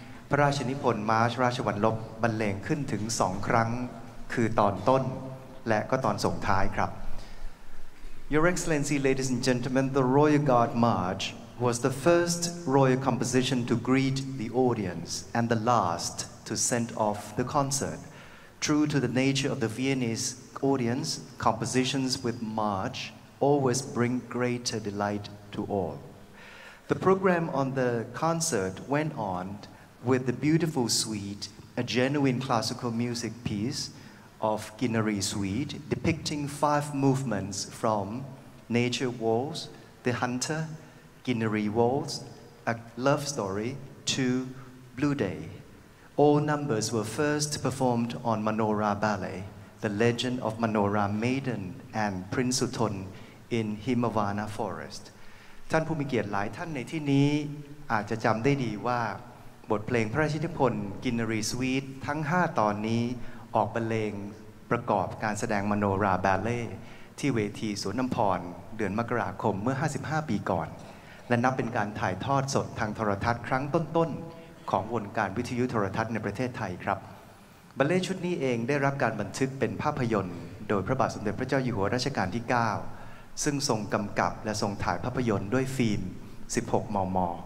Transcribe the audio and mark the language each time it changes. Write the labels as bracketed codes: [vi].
[th] พระราชนิพนธ์มาร์ชราชวัลลบบรรเลงขึ้นถึง2ครั้งคือตอนต้นและก็ตอนส่งท้ายครับ [en] Your Excellency Ladies and Gentlemen the Royal Guard Marchwas the first royal composition to greet the audience and the last to send off the concert. True to the nature of the Viennese audience, compositions with march always bring greater delight to all. The program on the concert went on with the beautiful suite, a genuine classical music piece of Guinery Suite, depicting five movements from Nature Waltz, The Hunter,Guinery Waltz, A Love Story, to Blue Day. All numbers were first performed on Manohara Ballet, The Legend of Manohara Maiden and Prince Sutton in Himavana Forest. [th] ท่านผู้มีเกียรติหลายท่านในที่นี้อาจจะจำได้ดีว่าบทเพลงพระราชนิพนธ์ Guinery Suite ทั้ง5ตอนนี้ออกบรรเลง ประกอบการแสดงมโนราแบลเล่ที่เวทีสวนน้ำพรเดือนมกราคมเมื่อ55ปีก่อนและนับเป็นการถ่ายทอดสดทางโทรทัศน์ครั้งต้นๆของวงการวิทยุโทรทัศน์ในประเทศไทยครับแบลเล่ชุดนี้เองได้รับการบันทึกเป็นภาพยนตร์โดยพระบาทสมเด็จพระเจ้าอยู่หัวรัชกาลที่9ซึ่งทรงกำกับและทรงถ่ายภาพยนตร์ด้วยฟิล์ม16มม.